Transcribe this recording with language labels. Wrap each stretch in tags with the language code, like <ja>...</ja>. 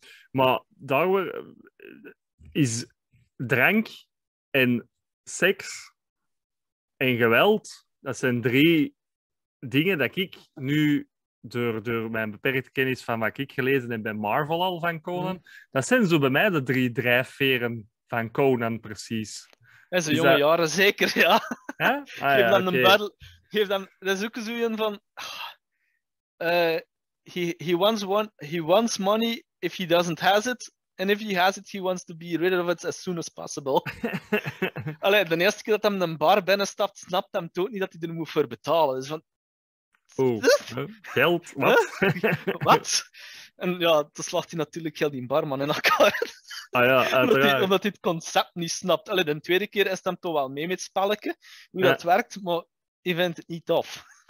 <nl>Maar daar is drank en seks en geweld, dat zijn drie dingen dat ik nu door mijn beperkte kennis van wat ik gelezen heb bij Marvel al van Conan, dat zijn zo bij mij de drie drijfveren van Conan precies. In zijn jonge jaren zeker, ja. Huh? Ah, ja, dan</nl> <en>okay.</en> <nl>Een battle, geef dan de zoeken zo een van...</nl> <en>He wants money if he doesn't have it. And if he has it, he wants to be rid of it as soon as possible.</en> <nl>Allee, de eerste keer dat hij een bar binnenstapt, snapt hij toch niet dat hij er moet voor betalen. Dus van... Oeh, geld, wat? Wat? En ja, dan slaat hij natuurlijk heel die barman in elkaar. Ah ja, omdat hij het concept niet snapt. Allee, de tweede keer is hij toch wel mee met het spelletje, hoe dat werkt, maar hij vindt het niet tof.</nl>